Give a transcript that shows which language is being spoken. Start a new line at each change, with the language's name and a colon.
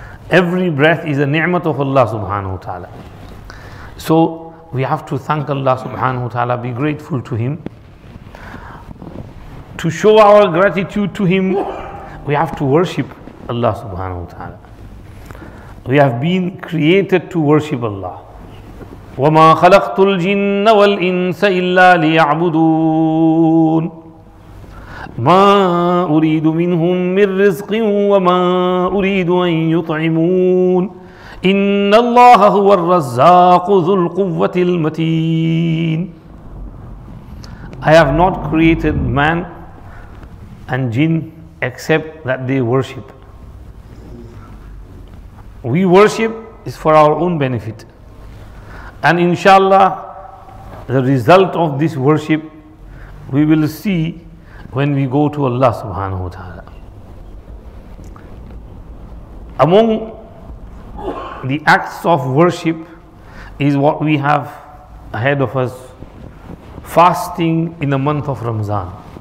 English: Every breath is a ni'mat of Allah subhanahu wa ta'ala. So we have to thank Allah subhanahu wa ta'ala, be grateful to Him. To show our gratitude to Him, we have to worship Allah subhanahu wa ta'ala. We have been created to worship Allah.
Arabic: وَمَا خَلَقْتُ الْجِنَّ وَالْإِنسَ إِلَّا لِيَعْبُدُونَ مَا أُرِيدُ مِنْهُمْ مِنْ رِزْقٍ وَمَا أُرِيدُ أَنْ يُطْعِمُونَ إِنَّ اللَّهَ هُوَ الرَّزَّاقُ ذُو الْقُوَّةِ الْمَتِينَ
English: I have not created man and jinn except that they worship. We worship is for our own benefit. And inshallah, the result of this worship, we will see when we go to Allah subhanahu wa ta'ala. Among the acts of worship is what we have ahead of us, fasting in the month of Ramadan.